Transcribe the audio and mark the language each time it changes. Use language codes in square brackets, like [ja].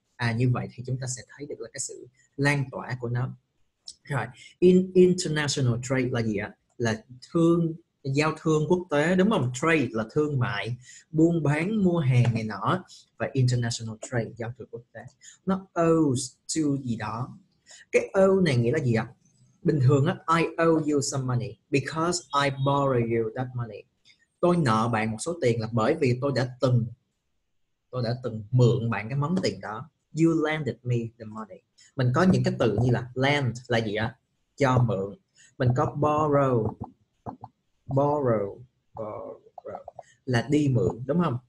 [vi] À, như vậy thì chúng ta sẽ thấy được là cái sự lan tỏa của nó. Rồi, international trade là gì ạ? Là thương, giao thương quốc tế, đúng không? Trade là thương mại, buôn bán mua hàng này nọ, và international trade giao thương quốc tế. Nó owes to gì đó. Cái owe này nghĩa là gì ạ? Bình thường á, [en] I owe you some money because I borrow you that money. [vi] Tôi nợ bạn một số tiền là bởi vì tôi đã từng mượn bạn cái món tiền đó. [en] You lended me the money. [vi] Mình có những cái từ như là lend là gì ạ? Cho mượn. Mình có borrow. Borrow là đi mượn, đúng không?